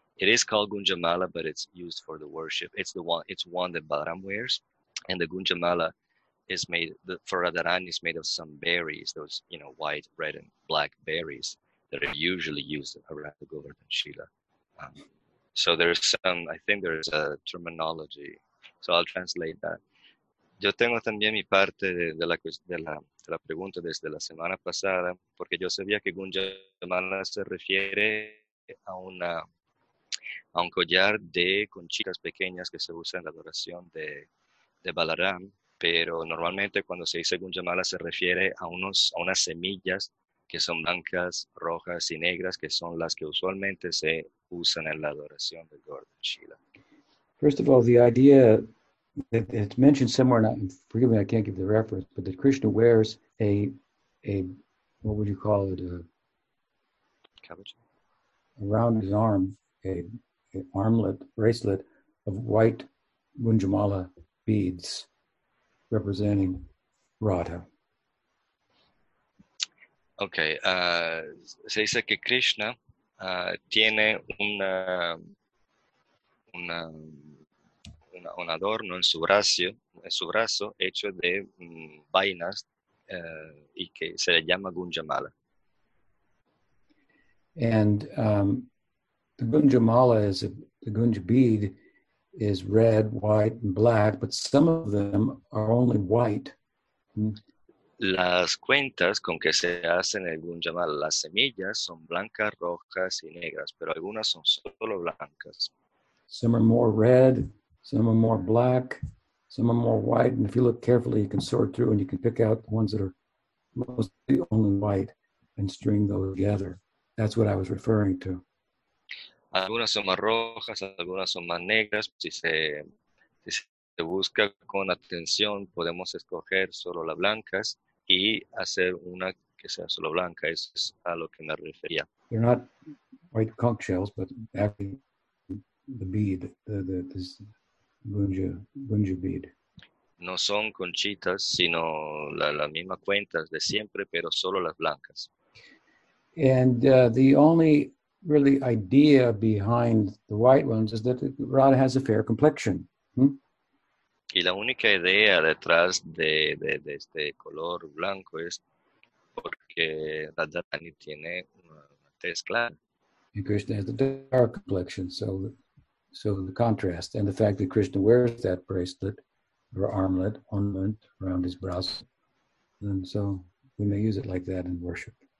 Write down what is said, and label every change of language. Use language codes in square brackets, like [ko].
[en] It is called Gunjamala, but it's used for the worship. It's one that Balaram wears, and the Gunjamala is made for Radharani, is made of some berries, those, you know, white, red, and black berries that are usually used around the Govardhan Shila. So there's some, I think there's a terminology. So I'll translate that. [es] Yo tengo también mi parte de la pregunta desde la semana pasada, porque yo sabía que Gunjamala se refiere a un collar de conchitas pequeñas que se usa en la adoración de Balaram, pero normalmente cuando se dice Gunjamala se refiere a unas semillas que son blancas, rojas y negras, que son las que usualmente se usan en la adoración de Govardhan Shila. [en] First of all, the idea that it's mentioned somewhere, and forgive me, I can't give the reference, but that Krishna wears a what would you call it, a cabbage around his arm, a armlet, bracelet of white Gunjamala beads representing Radha. [es] Okay, se dice que Krishna tiene un adorno en su brazo hecho de vainas y que se le llama Gunjamala. [en] And the Gunjamala is the Gunja bead is red, white, and black, but some of them are only white. [es] Las cuentas con que se hacen el Gunjamala, las semillas son blancas, rojas y negras, pero algunas son solo blancas. [en] Some are more red, some are more black, some are more white, and if you look carefully, you can sort through and you can pick out the ones that are mostly only white and string those together. That's what I was referring to. [es] Algunas son más rojas, algunas son más negras. Si se busca con atención, podemos escoger solo las blancas y hacer una que sea solo blanca. Eso es a lo que me refería. [en] They're not white conch shells, but actually the bead, this Gunja bead. [es] No son conchitas, sino la misma cuentas de siempre, pero solo las blancas. [en] And the only really idea behind the white ones is that Radha has a fair complexion. [es] Y la única idea detrás de este color blanco es porque Radharani tiene una tez clara. [en] And Krishna has a dark complexion, so the contrast and the fact that Krishna wears that bracelet or ornament around his brows, and so we may use it like that in worship.